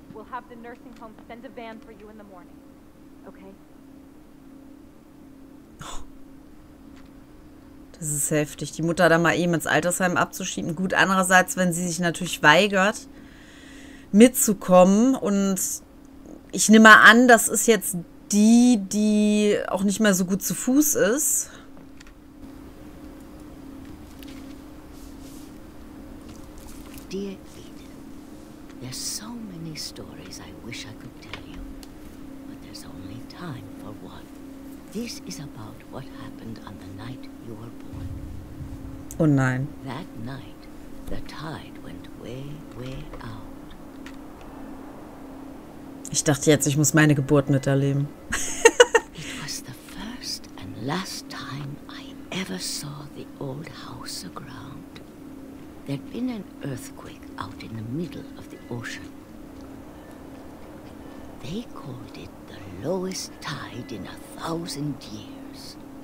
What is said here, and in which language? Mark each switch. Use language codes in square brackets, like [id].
[en] have the nursing home send a van for you in the morning. Okay. [de] Das ist heftig, die Mutter da mal eben ins Altersheim abzuschieben. Gut, andererseits, wenn sie sich natürlich weigert, mitzukommen. Und ich nehme mal an, das ist jetzt die, die auch nicht mehr so gut zu Fuß ist. [en] Dear Ed, there's so many stories I wish I could tell you, but there's only time for one. This is about what happened on the night you were born. [de] Oh nein. [en] That night, the tide went way, way out. [de] Ich dachte jetzt, ich muss meine Geburt miterleben. [en] It was the first and last time I ever saw the old house aground. There'd been an earthquake out in the middle of the ocean. They called it the lowest tide in 1,000 years.